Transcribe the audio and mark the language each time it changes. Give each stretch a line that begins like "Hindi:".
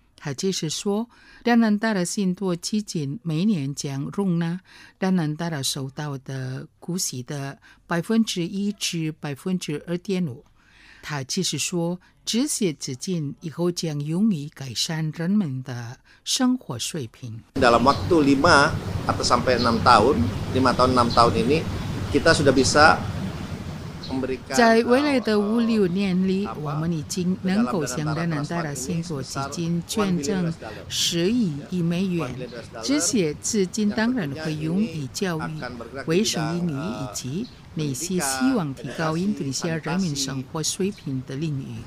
Chinese: 他解释说，达南达拉信托基金每年将容纳达南达拉收到的股息的1%至2.5%。他解释说，这些资金以后将用于改善人们的生活水平。
Indonesian: Dalam waktu 5 atau sampai 6 tahun, 5 tahun 6 tahun ini, kita sudah bisa memberikan.
Chinese: 在未来的5-6年里，我们已经能够向达南达拉信托基金捐赠10亿美元。这些资金当然会用于教育、卫生领域以及那些希望提高印度尼西亚人民生活水平的领域。